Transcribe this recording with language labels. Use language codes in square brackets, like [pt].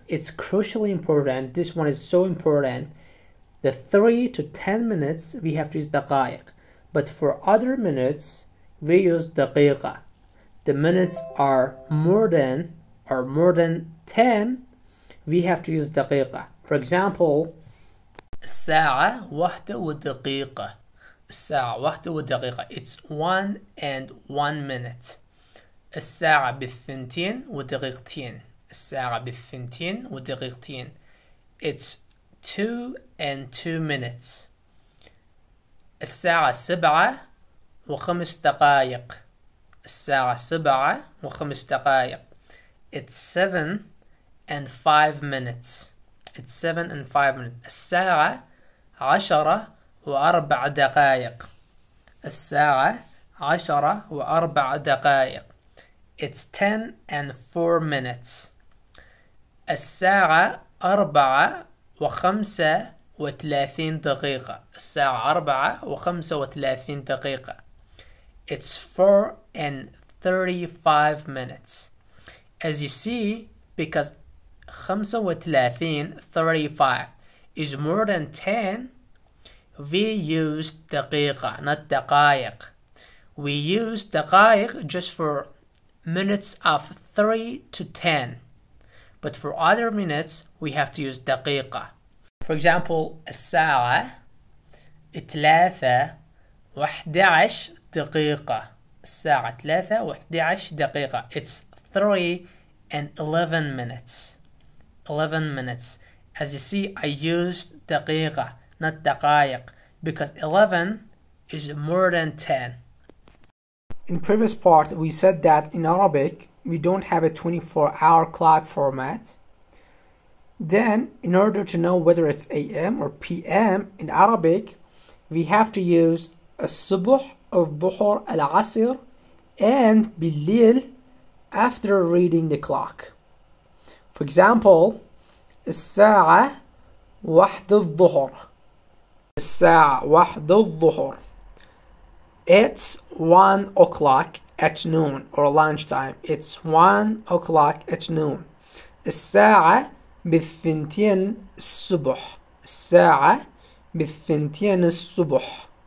[en] It's crucially important. This one is so important. The 3 to 10 minutes, we have to use دقائق. But for other minutes, we use دقيقة. The minutes are more than 10, we have to use دقيقة. For example, [ar] الساعة واحدة ودقيقة. الساعة واحدة ودقيقة. [en] It's 1 and 1 minute. [ar] الساعة بالثنتين ودقيقتين. الساعة بالثنتين ودقيقتين. [en] It's 2 and 2 minutes. [ar] الساعة سبعة وخمس دقائق. الساعة سبعة وخمس دقائق. [en] It's 7 and 5 minutes. It's 7 and 5 minutes. [ar] الساعة عشرة وأربع دقائق. الساعة عشرة وأربع دقائق. [en] It's 10 and 4 minutes. [ar] الساعة أربعة وخمسة وثلاثين دقيقة. الساعة أربعة وخمسة وثلاثين دقيقة. [en] It's 4 and 35 minutes. As you see, because [ar] خمسة وثلاثين [en] 35 is more than 10, we use دقيقة, not دقائق. We use دقائق just for minutes of 3 to 10. But for other minutes, we have to use دقيقة. For example, [ar] الساعة ثلاثة وحد عشر دقيقة. الساعة ثلاثة وحد عشر دقيقة. [en] It's 3 and 11 minutes. 11 minutes. As you see, I used دقيقة, not دقائق. Because 11 is more than 10. In previous part, we said that in Arabic, we don't have a 24-hour clock format. Then, in order to know whether it's AM or PM in Arabic, we have to use الصبح, الظهر, العصر, and بالليل after reading the clock. For example, [ar] الساعة واحد الظهر. الساعة واحد الظهر. [en] It's 1 o'clock at noon or lunchtime. It's 1 o'clock at noon. [ar] الساعة بالثنتين الصبح. الساعة بالثنتين الصبح.